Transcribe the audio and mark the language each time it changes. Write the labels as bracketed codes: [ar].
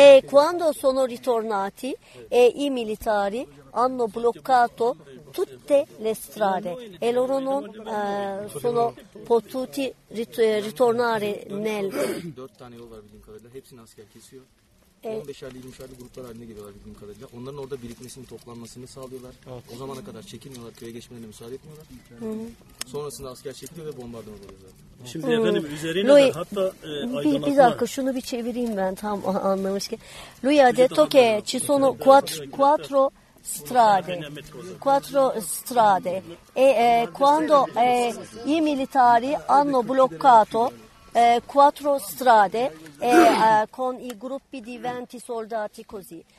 [it] Quando sono ritornati i militari hanno bloccato tutte le strade e loro non sono potuti ritornare nel [tr] 4 tane yol var bildiğim kadarıyla hepsini asker kesiyor. 15'erli 20'erli gruplar haline geliyorlar bildiğim kadarıyla. Onların orada birikmesini, toplanmasını sağlıyorlar. O zamana kadar çekilmiyorlar, köye geçmelerine müsaade etmiyorlar. Sonrasında asker çekiliyor ve bombardıman oluyor zaten. Şimdi efendim üzerine lui, de hatta aydınlatma. Bir dakika şunu bir çevireyim ben tam anlamışken. [it] Lui ha detto che ci sono quattro strade. Quattro strade. Quando i militari hanno bloccato quattro strade con i gruppi di 20 soldati così.